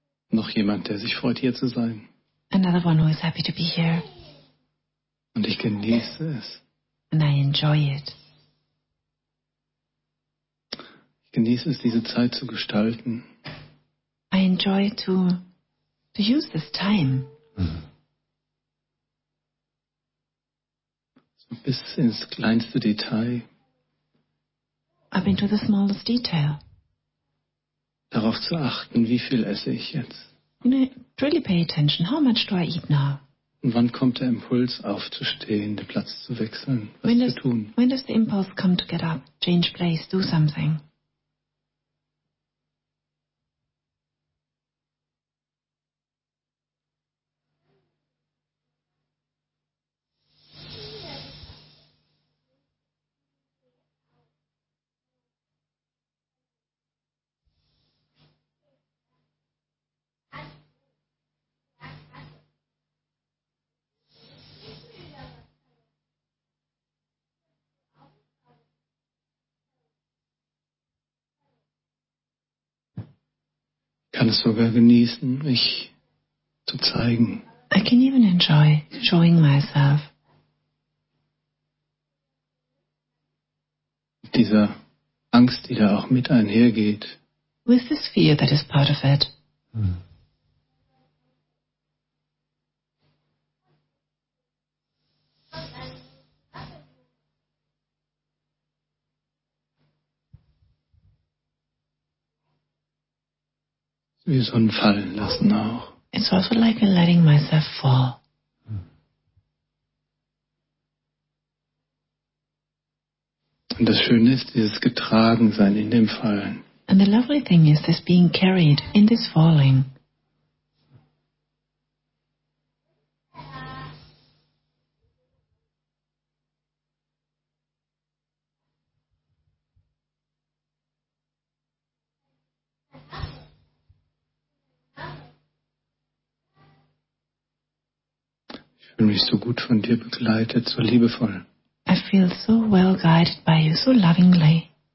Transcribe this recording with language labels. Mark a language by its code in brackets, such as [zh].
[de] Noch jemand, der sich freut, hier zu sein. [en] Another one who is happy to be here. [de] Und ich genieße es. [en] And I enjoy it. [de] Ich genieße es, diese Zeit zu gestalten. [en] I enjoy to use this time. Mhm. [de] Bis ins kleinste Detail. [en] Up into the smallest detail. [de] Darauf zu achten, wie viel esse ich jetzt. [en] You know, really pay attention. How much do I eat now? [de] Und wann kommt der Impuls aufzustehen, den Platz zu wechseln, was zu tun? [en] When does the impulse come to get up, change place, do something? [de] Ich kann es sogar genießen, mich zu zeigen. [en] I can even enjoy showing myself. [de] Mit dieser Angst, die da auch mit einhergeht. [en] With this fear that is part of it. [de] Wie so ein Fallen lassen auch. [en] It's also like a letting myself fall. [de] Und das Schöne ist, dieses Getragensein in dem Fallen. [en] And the lovely thing is this being carried in this falling. [de] Ich fühle mich so gut von dir begleitet, so liebevoll. [en] I feel so well guided by you, so lovingly.